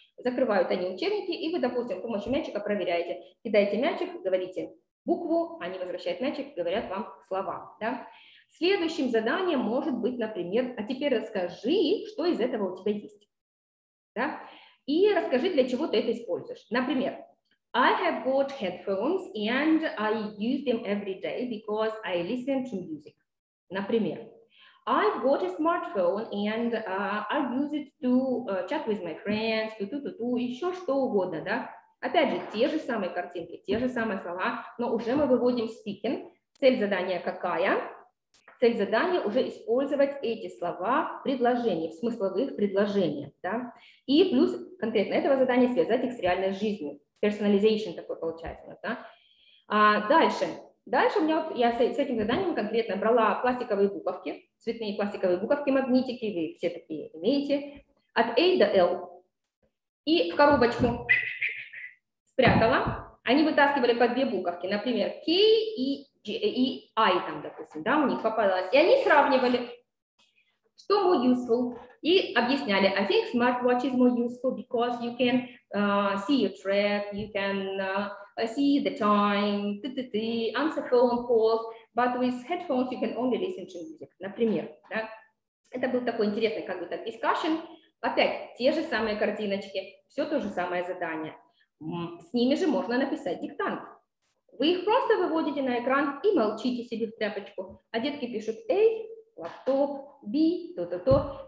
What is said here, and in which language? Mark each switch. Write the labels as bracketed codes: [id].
[ru] Закрывают они учебники, и вы, допустим, с помощью мячика проверяете. Кидаете мячик, говорите букву, они возвращают мячик, говорят вам слова. Да? Следующим заданием может быть, например, а теперь расскажи, что из этого у тебя есть. Да? И расскажи, для чего ты это используешь. Например, [en] I have bought headphones and I use them every day because I listen to music. [ru] Например, [en] I've got a smartphone and I use it to chat with my friends, ту-ту-ту-ту, [ru] еще что угодно. Да? Опять же, те же самые картинки, те же самые слова, но уже мы выводим speaking. Цель задания какая? Цель задания уже использовать эти слова в предложении, в смысловых предложениях. Да? И плюс конкретно этого задания связать их с реальной жизнью. Personalization такой получается. Да? Дальше у меня вот я с этим заданием конкретно брала пластиковые буковки, цветные пластиковые буковки, магнитики, вы все такие имеете, от A до L. И в коробочку спрятала. Они вытаскивали по две буковки, например, K и I, там, допустим, да, у них попалось. И они сравнивали, что [en] more useful. И объясняли, I think smartwatch is more useful because you can see your track, you can see the time, answer phone calls, but with headphones you can only listen to music, [ru] например. Да? Это был такой интересный как бы так discussion. Опять те же самые картиночки, все то же самое задание. С ними же можно написать диктант. Вы их просто выводите на экран и молчите себе в тряпочку. А детки пишут A, лаптоп, B, то-то-то.